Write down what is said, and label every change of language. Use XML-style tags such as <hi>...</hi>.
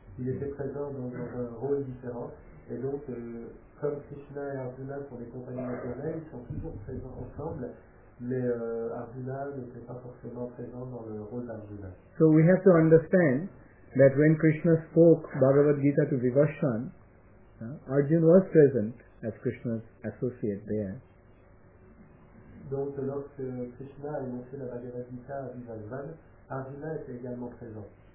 <fr>Il était présent dans un rôle différent, et donc comme Krishna et Arjuna sont des compagnons éternels, ils sont toujours présents ensemble. Mais Arjuna n'était pas forcément présent dans le rôle d'Arjuna.</fr> <en>So we have to understand that when Krishna spoke Bhagavad Gita to Vivashan, Arjuna was present as Krishna's associate there.</en> <fr>Donc lorsque Krishna a énoncé la Bhagavad Gita à Vivashan, Arjuna était également présent.</fr>